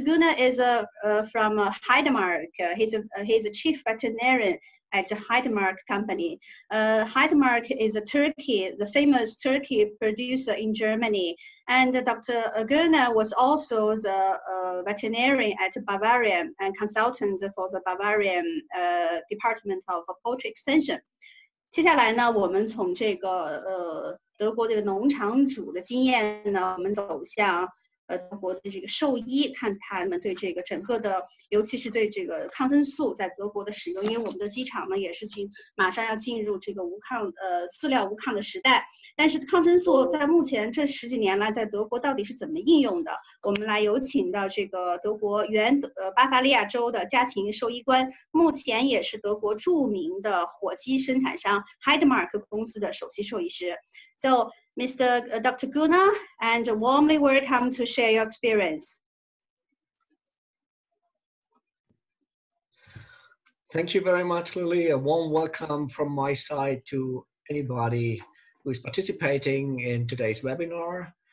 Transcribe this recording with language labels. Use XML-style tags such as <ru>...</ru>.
<en>Gunnar is from Heidemark. He's a chief veterinarian at the Heidemark company. Heidemark is a turkey, the famous turkey producer in Germany. And Dr. Gunnar was also the veterinarian at Bavarian and consultant for the Bavarian Department of Poultry Extension.</en> <zh>接下来呢，我们从这个德国这个农场主的经验呢，我们走向德国的这个兽医，看他们对这个整个的，尤其是对这个抗生素在德国的使用。因为我们的机场呢，也是马上要进入这个无抗饲料无抗的时代。但是抗生素在目前这十几年来，在德国到底是怎么应用的？我们来有请到这个德国原巴伐利亚州的家禽兽医官，目前也是德国著名的火鸡生产商 Heidemark 公司的首席兽医师。</zh> <en>So, Mr. Dr. Gunnar, and warmly welcome to share your experience. Thank you very much, Lily. A warm welcome from my side to anybody who is participating in today's webinar.</en>